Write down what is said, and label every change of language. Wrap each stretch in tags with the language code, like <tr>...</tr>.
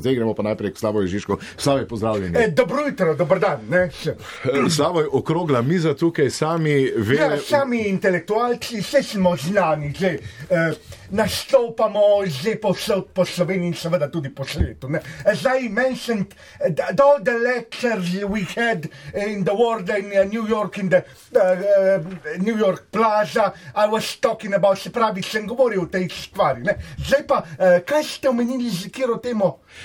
<sl>Zdaj gremo pa najprej k Slavoju Žižku. Slavoj, pozdravljeni. Dobro jutro, dober dan. Ne? Slavoj, okrogla miza tukaj, sami vele... Ja, sami intelektualci, vse smo znani, že nastopamo že posod po Sloveniji in seveda tudi po svetu. Ne?</sl> <en>As I mentioned, all the lectures we had in the world in New York, in the New York Plaza, I was talking about,</en> <sl>se pravi, sem govoril o tej stvari. Ne? Zdaj pa, kaj ste omenili z kjero temo?</sl>